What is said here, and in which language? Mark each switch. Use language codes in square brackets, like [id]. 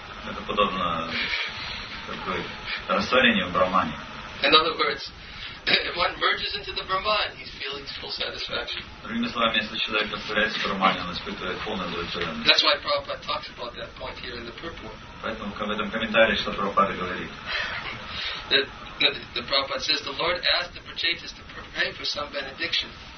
[ru] Это подобно такой растворению в Брахмане. [en] In other words, if one merges into the Brahman, he's feeling full satisfaction. [ru] Другими словами, если человек растворяется в Брахмане, он испытывает полное удовлетворение. [en] That's why Prabhupada talks about that point here in the purport. [ru] Поэтому в этом комментарии, что Прабхупада говорит. [en] The Prabhupada says the Lord asked the projectors to pray for some benediction.